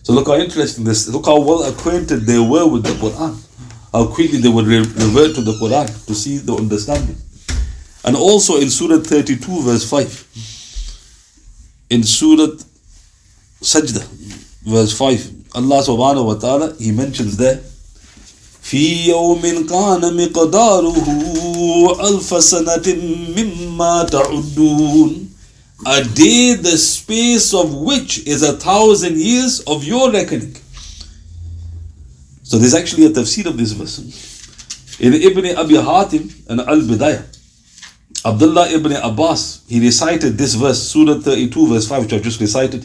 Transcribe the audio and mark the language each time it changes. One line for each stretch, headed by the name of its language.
English: So look how interesting this. Look how well acquainted they were with the Quran. How quickly they would revert to the Quran to see the understanding. And also in Surah 32 verse 5. In Surah Sajdah verse 5. Allah subhanahu wa ta'ala, he mentions there,
Arabic: في يوم كان مقداره ألف سنة مما تعدون.
English: A day the space of which is 1,000 years of your reckoning. So there's actually a tafsir of this verse. In Ibn Abi Hatim and Al-Bidayah, Abdullah Ibn Abbas, he recited this verse, Surah 32 verse 5, which I just recited.